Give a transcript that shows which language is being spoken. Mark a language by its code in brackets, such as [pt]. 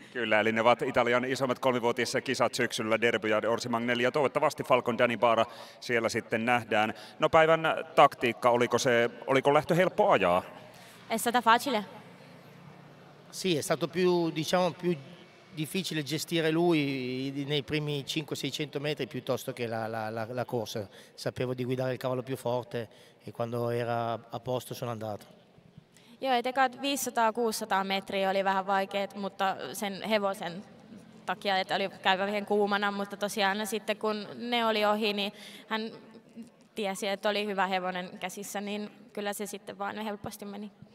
[fi] Kyllä, eli ne ovat Italian isommat 3-vuotiaissa kisat syksyllä, Derby ja Orsi Magnelli, ja toivottavasti Falcon Danny Barr siellä sitten nähdään. No päivän taktiikka, oliko lähtö helppo ajaa? [it] È stata facile. Sì, è stato più, diciamo, più difficile gestire lui nei primi 500-600 metri piuttosto che la corsa. Sapevo di guidare il cavallo più forte e quando era a posto sono andato. [fi] Joo, et eka 500-600 metriä oli vähän vaikeet, mutta sen hevosen takia, että oli käyvä vähän kuumana, mutta tosiaan sitten kun ne oli ohi, niin hän tiesi, että oli hyvä hevonen käsissä, niin kyllä se sitten vaan helposti meni.